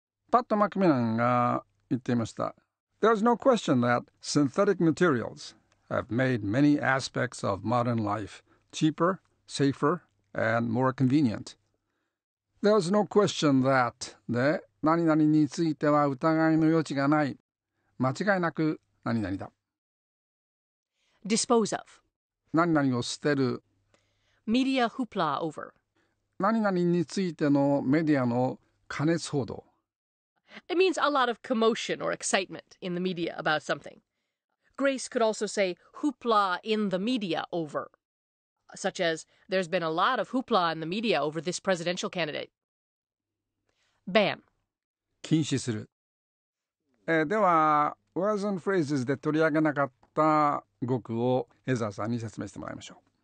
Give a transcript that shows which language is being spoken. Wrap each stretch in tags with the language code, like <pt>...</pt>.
<ja>パット・マクミランが言っていました。</ja> <en>There's no question that synthetic materials have made many aspects of modern life cheaper, safer, and more convenient. There's no question that...</en> <ja>で何々については疑いの余地がない。間違いなく何々だ。</ja> <en>Dispose of.</en> <ja>何々を捨てる。</ja> <en>Media hoopla over.</en> <ja>何々についてのメディアの過熱報道。</ja> <en>It means a lot of commotion or excitement in the media about something. Grace could also say hoopla in the media over. Such as, there's been a lot of hoopla in the media over this presidential candidate. Ban.</en> <ja>禁止する。では、words and phrases で取り上げなかった語句をエザーさんに説明してもらいましょう。</ja>